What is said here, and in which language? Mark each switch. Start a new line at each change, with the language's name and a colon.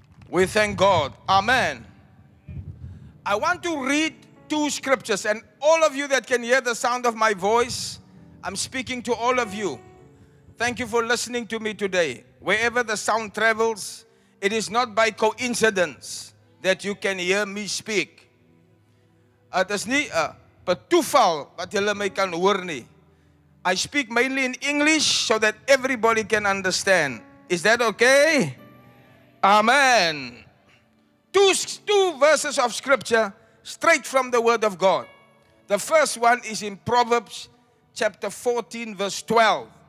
English: We thank God. Amen. I want to read two scriptures. And all of you that can hear the sound of my voice, I'm speaking to all of you. Thank you for listening to me today. Wherever the sound travels, it is not by coincidence that you can hear me speak.
Afrikaans: Dit is nie 'n toeval wat julle my kan hoor nie.
English: I speak mainly in English so that everybody can understand. Is that okay? Amen. Two verses of scripture straight from the word of God. The first one is in Proverbs chapter 14 verse 12.